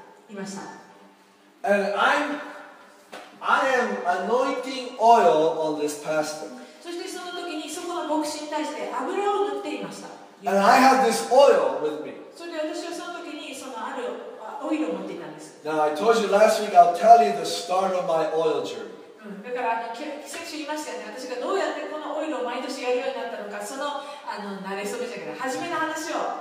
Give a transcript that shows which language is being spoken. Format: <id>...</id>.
<ja>いました。</ja> <en>And I am anointing oil on this pastor.</en> <ja>そしてその時にそこの牧師に対して油を塗っていました。</ja> <en>And I have this oil with me.</en> <ja>それで私はその時にそのあるオイルを持っていたんです。</ja> <en>Now I told you last week I'll tell you the start of my oil journey.</en> <ja>だから先週言いましたよね。私がどうやってこのオイルを毎年やるようになったのか、その慣れそめじゃなくて</ja>